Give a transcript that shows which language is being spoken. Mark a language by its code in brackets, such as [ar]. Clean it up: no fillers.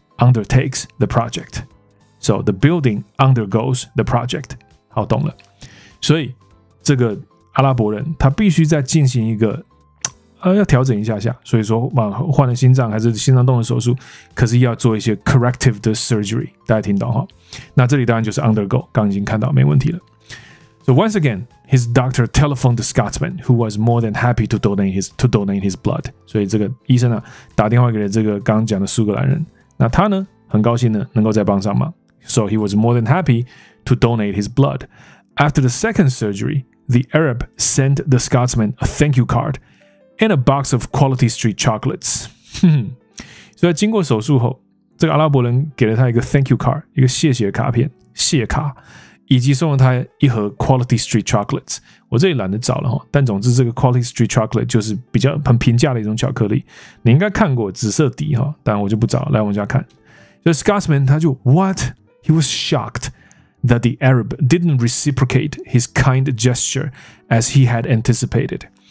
[en] Undertakes the project, so the building undergoes the project. [zh] 好，懂了。所以这个阿拉伯人他必须再进行一个，要调整一下下。所以说，换了心脏还是心脏动的手术，可是要做一些 corrective 的 surgery。大家听懂哈？那这里当然就是 undergo， 刚已经看到没问题了。 [en] So once again, his doctor telephoned the Scotsman, who was more than happy to donate his blood. [zh] 所以这个医生啊，打电话给了这个刚讲的苏格兰人。那他呢很高兴呢能够再帮上忙。 [en] So he was more than happy to donate his blood. After the second surgery, the Arab sent the Scotsman a thank you card and a box of quality street chocolates. [zh] 所以经过手术后，这个阿拉伯人给了他一个 thank you card, 一个谢谢卡片，谢卡，以及送了他一盒 quality street chocolates。我这里懒得找了，但总之这个 quality street chocolate 就是比较很平价的一种巧克力。你应该看过紫色底，但我就不找了，来我们家看。 [en] The Scotsman [zh] 他就 [en] what? He was shocked that the Arab didn't reciprocate his kind gesture as he had anticipated.